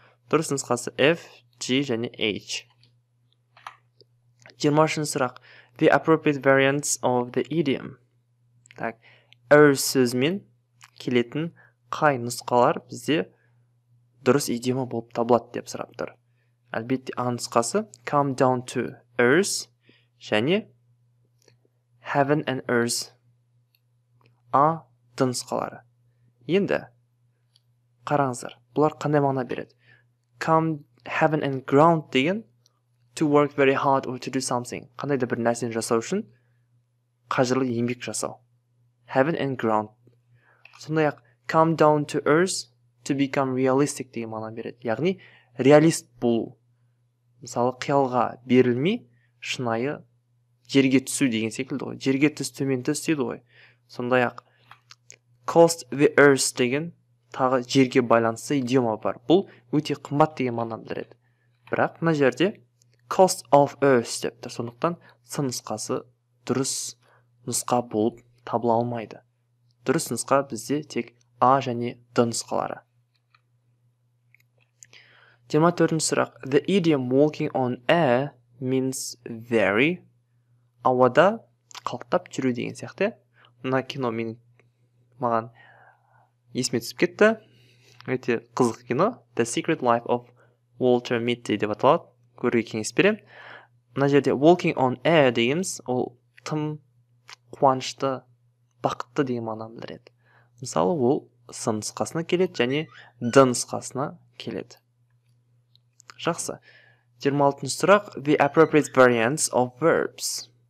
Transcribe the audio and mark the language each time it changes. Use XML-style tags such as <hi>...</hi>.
<kk>Дұрыс нұсқасы F, G және H. 20-шын сұрақ.</kk> <en>The appropriate variants of the idiom.</en> <kk>Так, сөзмен келетін қай нұсқалар бізде дұрыс идиома болып табылады деп сұрап тұр. Әлбетте А нұсқасы</kk> <en>come down to earth және heaven and earth.</en> <kk>А нұсқалары. Енді қараңыздар, бұлар қандай мағына береді?</kk> <en>Come heaven and ground деген to work very hard or to do something.</en> <kk>Қандай да бір нәрсені жасау үшін қажырлы еңбек жасау.</kk> <en>Heaven and ground. Сондай-ақ come down to earth to become realistic</en> <kk>деген мағына береді. Яғни реалист болу. Мысалы, қиялға берілмей, шынайы жерге түсу деген секілді ғой. Жерге түс, төмен түс дейді ғой. Сондай-ақ</kk> <en>cost the earth</en> <kk>деген тағы жерге байланысты идиома бар. Бұл өте қымбат деген мағына білдіреді. Бірақ мына жерде</kk> <en>cost of earth</en> <kk>деп тұр. Сондықтан сын нұсқасы дұрыс нұсқа болып табыла алмайды. Дұрыс нұсқа бізде тек А және Д нұсқалары. 24-ші сұрақ.</kk> <en>The idiom walking on air means very.</en> <kk>Ауада қалықтап жүру деген сияқты. Мына кино мен маған есіме түсіп кетті. Өте қызық кино. The Secret Life of Walter Mitty деп аталады. Көруге кеңес берем. Мына жерде</kk> <en>walking on air</en> <kk>дейміз, ол тым қуанышты, бақытты деген мағына білдіреді. Мысалы, ол сын нұсқасына келеді және Д нұсқасына келеді. Жақсы. 26-шы сұрақ.</kk> <en>The appropriate variants of verbs.</en>